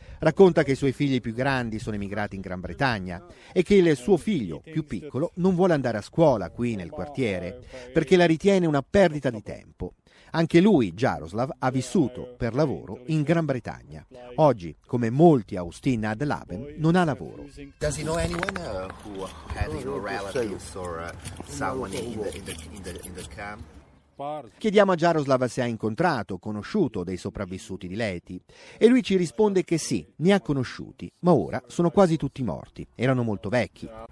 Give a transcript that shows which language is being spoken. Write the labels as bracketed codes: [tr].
[it] Racconta che i suoi figli più grandi sono emigrati in Gran Bretagna e che il suo figlio più piccolo non vuole andare a scuola qui nel quartiere perché la ritiene una perdita di tempo. Anche lui, Jaroslav, ha vissuto per lavoro in Gran Bretagna. Oggi, come molti a Ustina ad Labem, non ha lavoro. [en] Does he know anyone who has your relatives or someone in the camp? [it] Chiediamo a Jaroslav se ha incontrato, conosciuto dei sopravvissuti di Leti e lui ci risponde che sì, ne ha conosciuti, ma ora sono quasi tutti morti, erano molto vecchi.